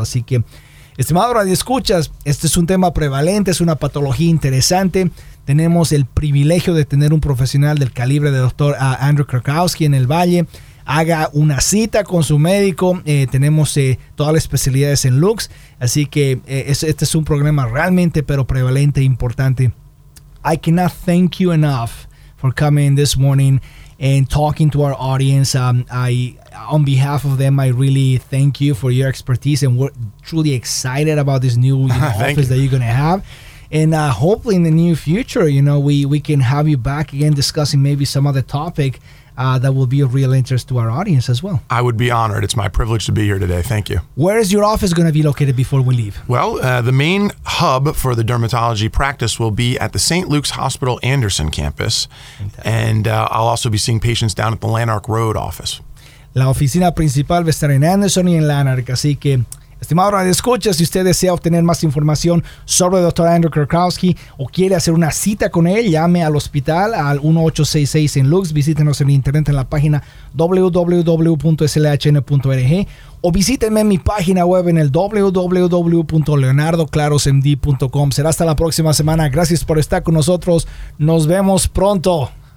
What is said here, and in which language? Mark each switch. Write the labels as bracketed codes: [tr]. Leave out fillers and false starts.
[es] Así que, estimado radio escuchas, este es un tema prevalente, es una patología interesante. Tenemos el privilegio de tener un profesional del calibre del doctor Andrew Krakowski en el Valle. Haga una cita con su médico. Tenemos todas las especialidades en Lux. Así que este es un problema realmente, pero prevalente e importante. [en] I cannot thank you enough for coming this morning and talking to our audience. On behalf of them, I really thank you for your expertise, and we're truly excited about this new, you know, office you. That you're going to have. And hopefully in the near future, you know, we can have you back again discussing maybe some other topic that will be of real interest to our audience as well. I would be honored. It's my privilege to be here today. Thank you. Where is your office going to be located before we leave? Well, the main hub for the dermatology practice will be at the St. Luke's Hospital Anderson campus. Fantastic. And I'll also be seeing patients down at the Lanark Road office. [es] La oficina principal va a estar en Anderson y en Lanark, así que Estimado radioescucha, si usted desea obtener más información sobre el Dr. Andrew Krakowski o quiere hacer una cita con él, llame al hospital al 1-866 en Lux, visítenos en internet en la página www.slhn.org o visítenme en mi página web en el www.leonardoclarosmd.com. Será hasta la próxima semana. Gracias por estar con nosotros. Nos vemos pronto.